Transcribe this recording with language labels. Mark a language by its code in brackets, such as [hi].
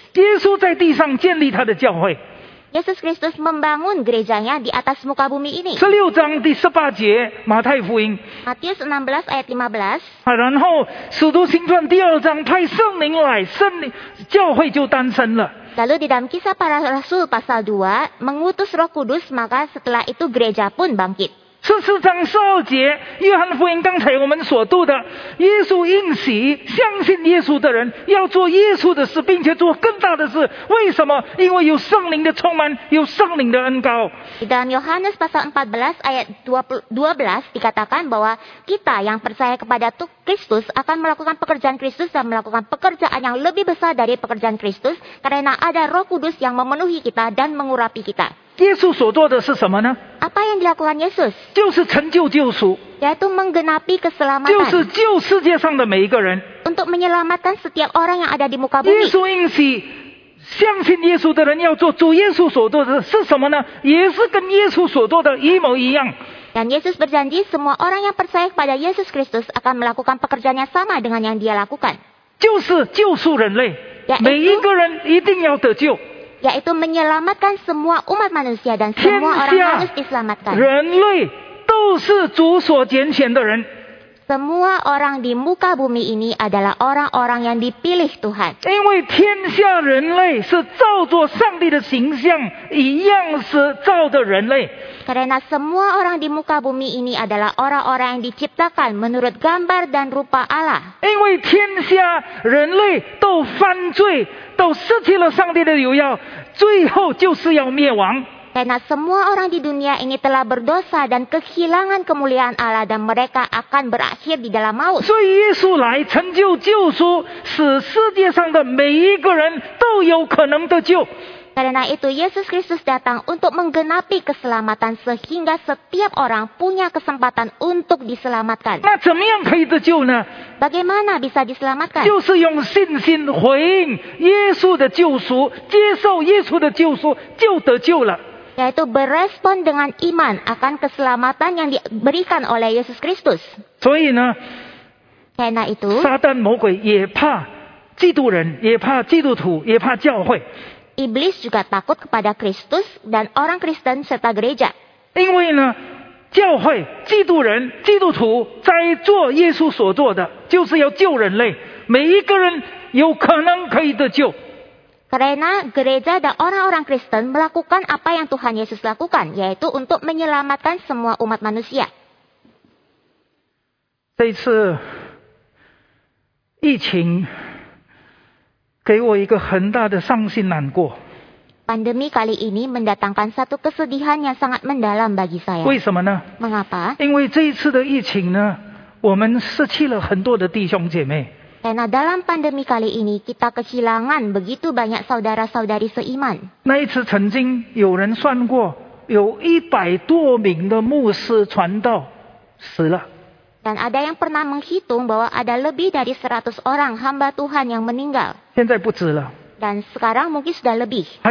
[zh] Yesus 在地上建立他的教会。 [id] Yesus Kristus membangun gerejanya di atas muka bumi ini. [zh] 16章第18节，马太福音。 [id] Matius 16 ayat 15。 [zh] 然后使徒行传第二章派圣灵来，圣灵教会就诞生了。 [id] Lalu di dalam kisah para rasul pasal 2, mengutus Roh Kudus, maka setelah itu gereja pun bangkit. [zh] 14章12节，约翰福音刚才我们所读的，耶稣应许相信耶稣的人要做耶稣的事，并且做更大的事。为什么？因为有圣灵的充满，有圣灵的恩膏。 [id] Dalam Yohanes pasal 14 ayat 12 dikatakan bahwa kita yang percaya kepada Kristus akan melakukan pekerjaan Kristus dan melakukan pekerjaan yang lebih besar dari pekerjaan Kristus, karena ada Roh Kudus yang memenuhi kita dan mengurapi kita. [zh] 耶稣所做的是什么呢？ [id] Apa yang dilakukan Yesus? [zh] 就是成就救赎。 [id] Yaitu menggenapi keselamatan. [zh] 就是救世界上的每一个人。 [id] Untuk menyelamatkan setiap orang yang ada di muka bumi. [zh] 耶稣应许相信耶稣的人要做主耶稣所做的是什么呢？也是跟耶稣所做的一模一样。 [id] Dan Yesus berjanji semua orang yang percaya kepada Yesus Kristus akan melakukan pekerjaannya sama dengan yang dia lakukan. [zh] 就是救赎人类。 [id] Yaitu, [zh] 每一个人一定要得救。 [id] Yaitu menyelamatkan semua umat manusia dan semua orang harus diselamatkan. [zh] 人类都是主所拣选的人。 [id] Semua orang di muka bumi ini adalah orang-orang yang dipilih Tuhan. [zh] 因为天下人类是照着上帝的形象一样是造的人类。 [id] Karena semua orang di muka bumi ini adalah orang-orang yang diciptakan menurut gambar dan rupa Allah. [zh] 因为天下人类都犯罪，都失去了上帝的荣耀，最后就是要灭亡。 [id] Karena semua orang di dunia ini telah berdosa dan kehilangan kemuliaan Allah dan mereka akan berakhir di dalam maut. [zh] 所以耶稣来成就救赎，使世界上的每一个人都有可能得救。 [id] Karena itu Yesus Kristus datang untuk menggenapi keselamatan sehingga setiap orang punya kesempatan untuk diselamatkan. [zh] 那怎么样可以得救呢？ [id] Bagaimana bisa diselamatkan? [zh] 就是用信心回应耶稣的救赎，接受耶稣的救赎，就得救了。 [id] Yaitu berespon dengan iman akan keselamatan yang diberikan oleh Yesus Kristus. [zh] 所以呢， [id] karena itu, [zh] 撒旦魔鬼也怕基督人，也怕基督徒，也怕教会。 [id] Iblis juga takut kepada Kristus dan orang Kristen serta gereja. [zh] 因为呢，教会、基督人、基督徒在做耶稣所做的，就是要救人类，每一个人有可能可以得救。 [id] Karena gereja dan orang-orang Kristen melakukan apa yang Tuhan Yesus lakukan, yaitu untuk menyelamatkan semua umat manusia. [zh] 这一次疫情给我一个很大的伤心难过。 [id] Pandemi kali ini mendatangkan satu kesedihan yang sangat mendalam bagi saya. [zh] 为什么呢? [id] Mengapa? [zh] 因为这一次的疫情呢, 我们失去了很多的弟兄姐妹。 [id] Karena dalam pandemi kali ini kita kehilangan begitu banyak saudara-saudari seiman. [zh] 那一次曾经有人算过, 有100多名的牧师传道死了。 [id] Dan ada yang pernah menghitung bahwa ada lebih dari 100 orang hamba Tuhan yang meninggal. [zh] 现在不止了。 [id] Dan sekarang mungkin sudah lebih.